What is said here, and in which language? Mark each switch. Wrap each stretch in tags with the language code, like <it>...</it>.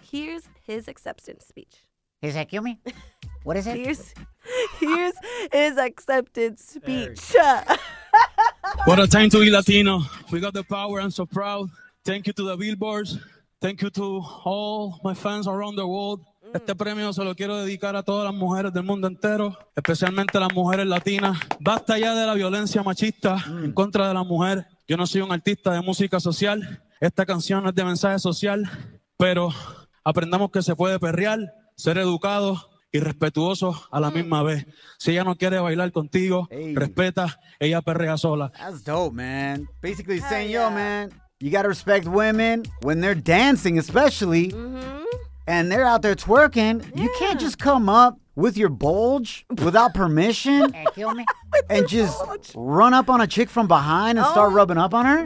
<en>Here's his acceptance speech. Is that kill me? What is it? Here's his acceptance speech. What a time to be Latino. We got the power. I'm so proud. Thank you to the billboards. Thank you to all my fans around the world.</en> <es>Este premio se lo quiero dedicar a todas las mujeres del mundo entero, especialmente las mujeres latinas. Basta ya de la violencia machista en contra de la mujer. Yo no soy un artista de música social. Esta canción es de mensaje social, pero aprendamos que se puede perrear, ser educado y respetuoso a la misma vez. Si ella no quiere bailar contigo, respeta, ella perrea sola.</es> <en>That's dope, man. Basically saying, yo, man, you gotta respect women when they're dancing, especially, and they're out there twerking. Yeah. You can't just come up with your bulge without permission and just run up on a chick from behind and start rubbing up on her.</en>